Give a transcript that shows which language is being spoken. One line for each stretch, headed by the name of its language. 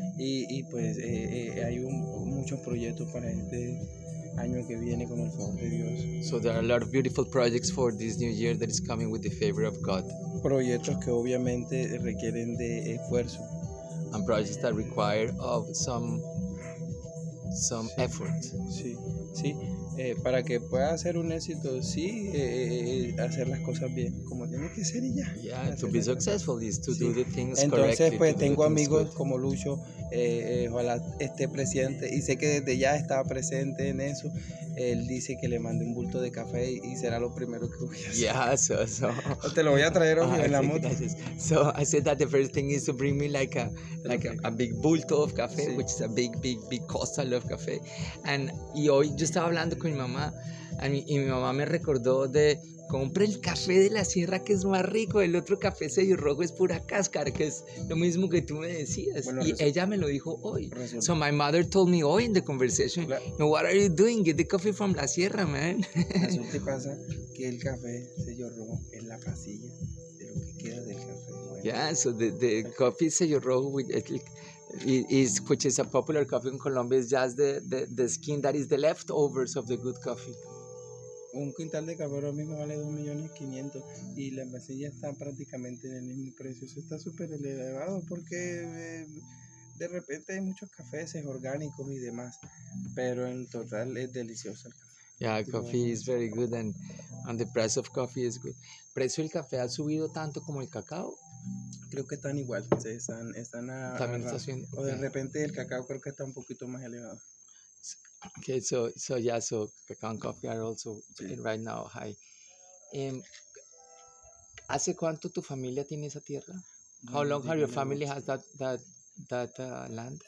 Spanish: Y pues hay muchos proyectos para este año que viene con el favor de Dios.
English: So there are a lot of beautiful projects for this new year that is coming with the favor of God.
Spanish: Proyectos que obviamente requieren de esfuerzo.
English: And projects that require of some sí. effort.
Spanish: Sí, sí. Para que pueda ser un éxito, sí, hacer las cosas bien, como tiene que ser y ya.
English: Yeah, to be successful is to do the things correctly.
Spanish: Entonces, pues, tengo amigos como Lucho, ojalá esté presente, y sé que desde ya estaba presente en eso. Él dice que le mande un bulto de café y será lo primero que voy a hacer.
English: Yeah, so.
Spanish: Te lo voy a traer hoy en la moto.
English: So I said that the first thing is to bring me like a big bulto of café, sí. Which is a big costal of café.
Spanish: Y hoy yo estaba hablando con mi mamá, y mi mamá me recordó de compre el café de la sierra, que es más rico. El otro café sello rojo es pura cáscara, que es lo mismo que tú me decías. Bueno, y ella me lo dijo hoy.
English: So my mother told me hoy in the conversation, what are you doing? Get the coffee from la sierra, man.
Spanish: Eso te pasa, que el café sello rojo es la pasilla de lo que queda del café. Bueno,
English: yeah, so the coffee sello rojo which is a popular coffee in Colombia is just the skin that is the leftovers of the good coffee.
Spanish: Un quintal de café ahora mismo vale 2.500.000 y la pasilla está prácticamente en el mismo precio. Eso está súper elevado porque de repente hay muchos cafés orgánicos y demás, pero en total es delicioso el café.
English: Yeah, coffee is very good and the price of coffee is good.
Spanish: ¿Precio del café ha subido tanto como el cacao? Creo que están igual, están a... También está subiendo. O de repente el cacao creo que está un poquito más elevado.
English: Okay, so cacao and coffee are also right now high.
Spanish: ¿Hace cuánto tu familia tiene esa tierra?
English: How long have your family has that land?